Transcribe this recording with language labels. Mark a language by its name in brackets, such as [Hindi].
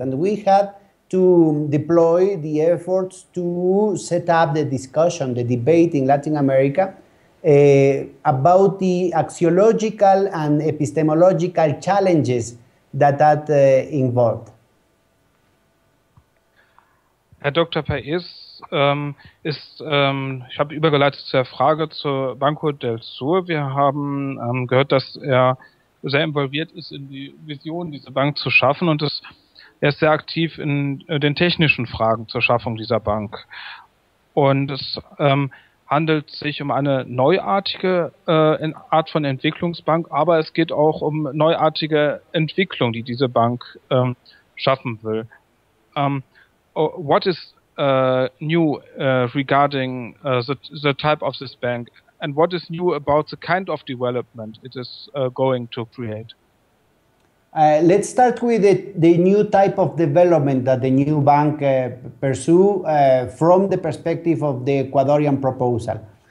[English] And we had to deploy the efforts to set up the discussion, the debate in Latin America about the axiological and epistemological challenges that involved. [German] Herr Dr. Paez, ich habe übergeleitet zur Frage zur Banco del Sur. Wir haben gehört, dass er sehr involviert ist in die Vision, diese Bank zu schaffen, und er ist sehr aktiv in den technischen Fragen zur Schaffung dieser Bank. Und es handelt sich um eine neuartige Art von Entwicklungsbank, aber es geht auch um neuartige Entwicklung, die diese Bank schaffen will. [English] What is new regarding the type of this bank, and what is new about the kind of development it is going to create? Let's start with the new type of development that the new bank pursue from the perspective of the Ecuadorian proposal.